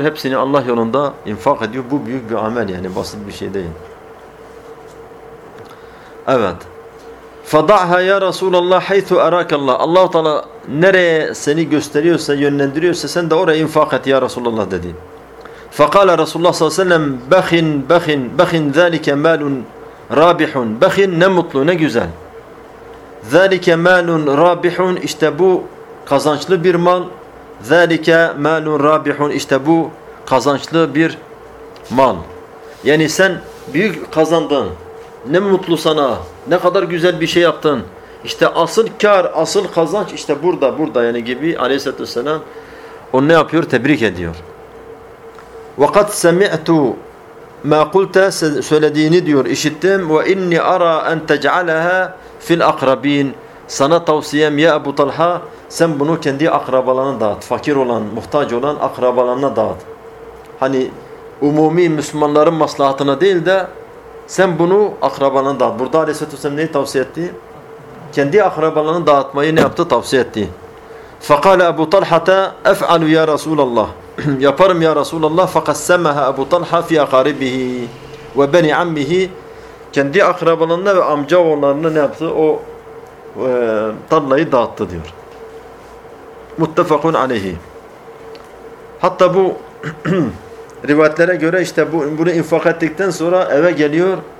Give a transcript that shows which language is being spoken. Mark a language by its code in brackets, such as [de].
[tr] Hepsini Allah yolunda infak ediyor. Bu büyük bir amel yani. Basit bir şey değil. Evet. [ar] فَضَعْهَا يَا رَسُولَ اللّٰهِ حَيْثُ اَرَاكَ اللّٰهِ [tr] Allah-u Teala nereye seni gösteriyorsa, yönlendiriyorsa sen de oraya infak et ya Resulullah dedi. [ar] فَقَالَ رَسُولَ اللّٰهِ سَلَّمْ بَخِنْ بَخِنْ بَخِنْ ذَلِكَ مَالٌ رَابِحٌ [tr] Bakın ne mutlu, ne güzel. [ar] ذَلِكَ مَالٌ رَابِحٌ [tr] İşte bu kazançlı bir mal. [ar] ذَلِكَ مَالٌ رَابِحٌ [tr] İşte bu kazançlı bir mal. Yani sen büyük kazandın. Ne mutlu sana. Ne kadar güzel bir şey yaptın. İşte asıl kar, asıl kazanç işte burada, burada yani gibi aleyhissalatü vesselam onu ne yapıyor? Tebrik ediyor. [ar] وَقَدْ سَمِعْتُ مَا قُلْتَ [tr] Söylediğini diyor, işittim. [ar] وَاِنِّ اَرَى اَنْ تَجْعَلَهَا فِي الْاَقْرَب۪ينَ [tr] Sana tavsiyem ya Ebu Talha, sen bunu kendi akrabalarına dağıt. Fakir olan, muhtaç olan akrabalarına dağıt. Hani umumi Müslümanların maslahatına değil de sen bunu akrabalarına dağıt. Burada Aleyhisselatü Vesselam neyi tavsiye etti? Kendi akrabalarını dağıtmayı ne yaptı? Tavsiye etti. [ar] فَقَالَ أَبُوْ طَلْحَةَ اَفْعَلُ يَا رَسُولَ اللّٰهِ [tr] Yaparım ya Resulallah. [ar] فَقَسَّمَهَا أَبُوْ طَلْحَ فِي أَقَارِبِهِ وَبَنِي عَمِّهِ [tr] Kendi akrabalarına ve amca oğullarına ne yaptı? O tarlayı dağıttı diyor. [ar] مُتَّفَقُونَ عَلَيْهِ [tr] Hatta bu rivayetlere göre işte bunu infak ettikten sonra eve geliyor.